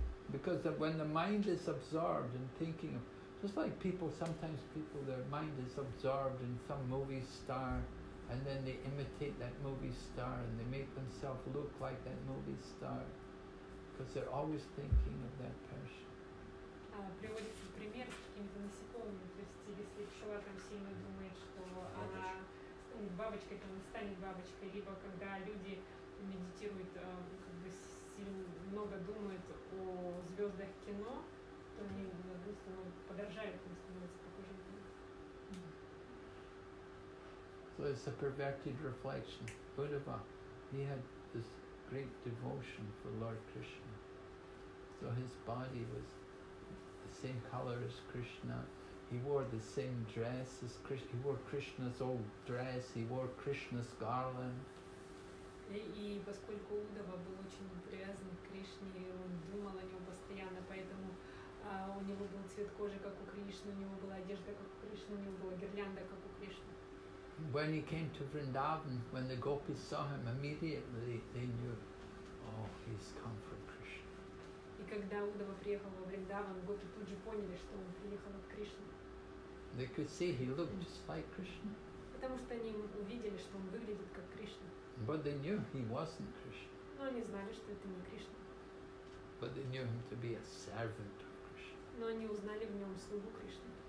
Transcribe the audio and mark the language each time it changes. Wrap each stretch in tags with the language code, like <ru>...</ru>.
<en>Because when the mind is absorbed in thinking of, just like sometimes people, their mind is absorbed in some movie star, and then they imitate that movie star, and they make themselves look like that movie star, because they're always thinking of that person.</en> <ru>Приводится пример с какими-то насекомыми, то есть если пчела там сильно думает, что она бабочкой, то она станет бабочкой, либо когда люди медитируют, как бы сильно много думают о звездах кино, то они просто подражают, они становятся похожи на них.</ru> <en>So it's a perverted reflection. Uddhava, he had this great devotion for Lord Krishna. So his body was same color as Krishna, he wore the same dress as Krishna, he wore Krishna's old dress, he wore Krishna's garland.</en> <ru>И поскольку Удава был очень привязан к Кришне, и он думал о нем постоянно, поэтому у него был цвет кожи, как у Кришны, у него была одежда, как у Кришны, у него была гирлянда, как у Кришны.</ru> <en>When he came to Vrindavan, when the gopis saw him, immediately they knew, oh, he's come from Krishna.</en> <ru>И когда Удава приехал во Вриндаван, гопи тут же поняли, что он приехал от Кришны.</ru> <en>They could see he looked just like Krishna.</en> <ru>Потому что они увидели, что он выглядит как Кришна.</ru> <en>But they knew he wasn't Krishna.</en> <ru>Но они знали, что это не Кришна.</ru> <en>But they knew him to be a servant of Krishna.</en> <ru>Но они узнали в нем слугу Кришны.</ru>